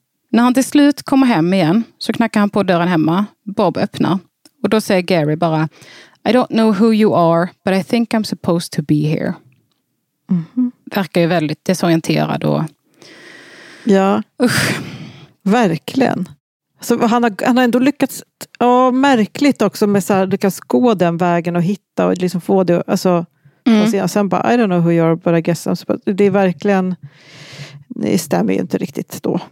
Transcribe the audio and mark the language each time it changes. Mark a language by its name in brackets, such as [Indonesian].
[Swedish] När han till slut kommer hem igen så knackar han på dörren hemma. Bob öppnar. Och då säger Gary bara, [English] I don't know who you are, but I think I'm supposed to be here. [Swedish] Mm-hmm. Verkar ju väldigt desorienterad. Och... ja, usch. Verkligen. Så han har ändå lyckats, ja, märkligt också med så här, lyckats gå den vägen och hitta och liksom få det. Alltså, och sen bara, [English] I don't know who you are, but I guess I'm supposed to be. [Swedish] Det är verkligen, det stämmer ju inte riktigt då.